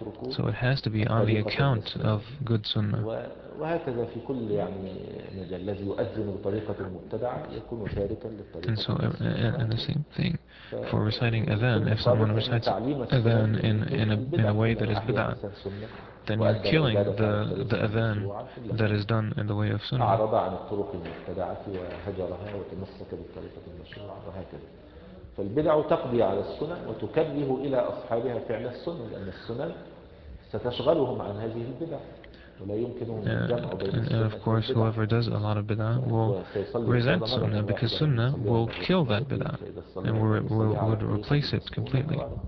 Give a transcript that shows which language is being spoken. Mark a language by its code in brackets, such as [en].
[en] So it has to be on the account of good sunnah. [ar] وهكذا في كل يعني مجال الذي يؤذن بطريقة المبتدعة يكون تاركا للطريقة. [en] And so and the same thing for reciting adhan. If someone recites adhan in a way that is bid'ah, then you're killing the adhan that is done in the way of sunnah. [ar] أعرض عن الطرق المبتدعة وهجرها وتمسك بالطريقة المشروعة وهكذا. فالبدع تقضي على السنة وتكره إلى أصحابها فعل السنة لأن السنة ستشغلهم عن هذه البدع. [en] And of course, whoever does a lot of bid'ah will resent sunnah, because sunnah will kill that bid'ah and would replace it completely.